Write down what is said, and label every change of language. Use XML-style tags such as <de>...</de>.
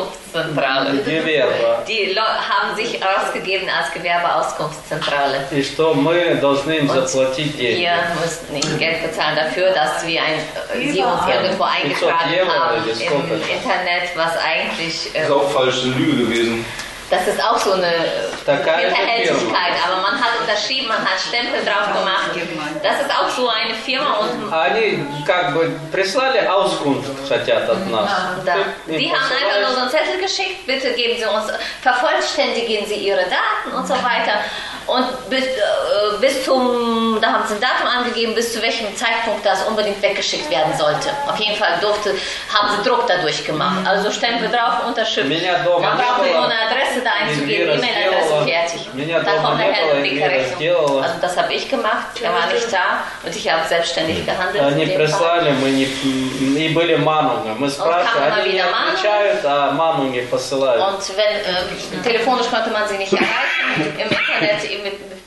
<de>Gewerbeauskunftszentrale.</de> <ru>И что мы должны им заплатить деньги?</ru> <de>Wir müssen ihnen Geld bezahlen dafür, dass wir ein, sie uns irgendwo eingetragen haben im Internet, was eigentlich ist auch falsche Lüge gewesen. Das ist auch so eine Hinterhältigkeit, aber man hat unterschrieben, man hat Stempel drauf gemacht. Das ist auch so eine Firma und...</de> <ru>Они как бы прислали Auskunft, хотят от нас.</ru> <de>Die haben einfach nur so einen Zettel geschickt, bitte geben Sie uns, vervollständigen Sie Ihre Daten und so weiter. Und bis zum, da haben sie ein Datum angegeben, bis zu welchem Zeitpunkt das unbedingt weggeschickt werden sollte. Auf jeden Fall durfte, haben sie Druck dadurch gemacht. Also Stempel drauf, Unterschrift. Man braucht nur eine Adresse da einzugeben, E-Mail-Adresse, fertig. Da kommt der Herr in die Rechnung. Also das habe ich gemacht, er war nicht da und ich habe selbstständig gehandelt.</de> <ru>Они прислали, мы не, и были мануги. Мы спрашивали, они не отвечают, а мануги посылают.</ru> <de>Und wenn, telefonisch konnte man sie nicht erreichen, im Internet,</de>